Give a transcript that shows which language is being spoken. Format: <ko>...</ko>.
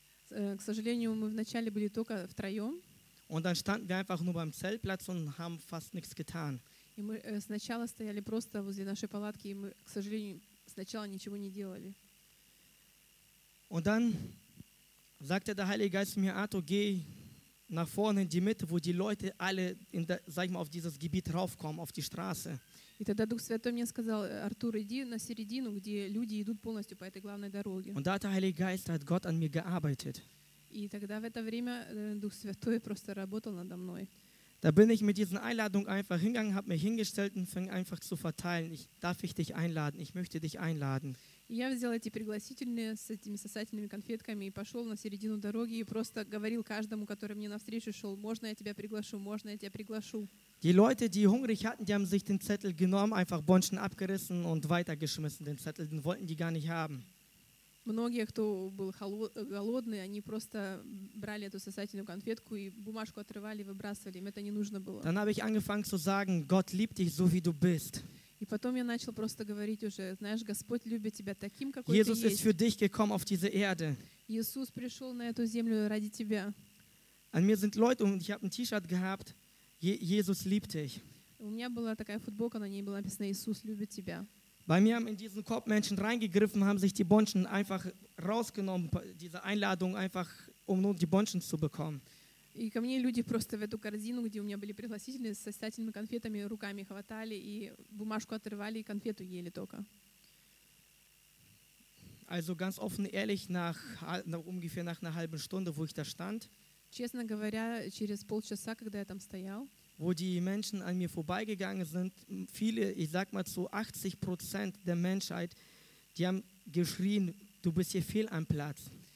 <ru>К сожалению, мы вначале были только втроем.</ru> <de>Und dann standen wir einfach nur beim Zeltplatz und haben fast nichts getan.</de> <ru>И мы сначала стояли просто возле нашей палатки, и мы, к сожалению, сначала ничего не делали.</ru> <de>Und dann sagte der Heilige Geist zu mir, Arthur, geh nach vorne in die Mitte, wo die Leute alle in der, sag ich mal, auf dieses Gebiet raufkommen, auf die Straße.</de> <ru>И тогда Дух Святой мне сказал, Артур, иди на середину, где люди идут полностью по этой главной дороге.</ru> <de>Und da hat der Heilige Geist, hat Gott an mir gearbeitet.</de> <ru>И тогда в это время Дух Святой просто работал надо мной.</ru> <de>Da bin ich mit dieser Einladung einfach hingegangen, habe mich hingestellt und fing einfach zu verteilen. Ich darf ich dich einladen, ich möchte dich einladen.</de> <ru>Я взял эти пригласительные с этими сосательными конфетками и пошел на середину дороги и просто говорил каждому, который мне навстречу шел, можно я тебя приглашу, можно я тебя приглашу.</ru> <de>Die Leute, die hungrig hatten, die haben sich den Zettel genommen, einfach Bonschen abgerissen und weitergeschmissen, den Zettel, den wollten die gar nicht haben.</de> <ru>Многие, кто был голодный, они просто брали эту сосательную конфетку и бумажку отрывали, выбрасывали, им это не нужно было.</ru> <de>Dann habe ich angefangen zu sagen, Gott liebt dich so wie du bist.</de> <ru>И потом я начал просто говорить уже, знаешь, Господь любит тебя таким, какой ты есть.</ru> <de>Jesus ist für dich gekommen auf diese Erde.</de> <ru>Иисус пришел на эту землю ради тебя.</ru> <de>An mir sind Leute und ich habe ein T-Shirt gehabt, Jesus liebt dich.</de> <ru>У меня была такая футболка, на ней было написано, Иисус любит тебя.</ru> <de>Bei mir haben in diesen Korb Menschen reingegriffen, haben sich die Bonschen einfach rausgenommen, diese Einladung einfach, um nur die Bonschen zu bekommen.</de> <ru>И ко мне люди просто в эту корзину, где у меня были пригласительные, со сосательными конфетами руками хватали и бумажку отрывали и конфету ели только.</ru> <de>Also ganz offen ehrlich nach, ungefähr nach einer halben Stunde, wo ich da stand.</de> <ru>Честно говоря, через полчаса, когда я там стоял.</ru> <de>Wo die Menschen an mir vorbeigegangen sind, viele, ich sag mal zu 80% der Menschheit, die haben geschrien, du bist hier fehl am Platz.</de>